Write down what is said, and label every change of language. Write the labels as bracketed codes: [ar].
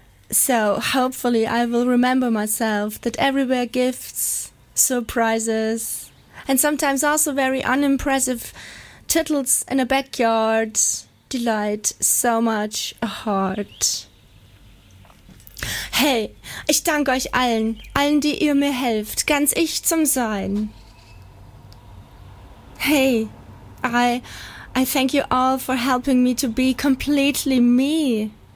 [en] So hopefully I will remember myself that everywhere gifts, surprises, and sometimes also very unimpressive tittles in a backyard delight so much a heart. [de] Hey, ich danke euch allen, die ihr mir helft, ganz ich zum Sein. [en] Hey, I thank you all for helping me to be completely me.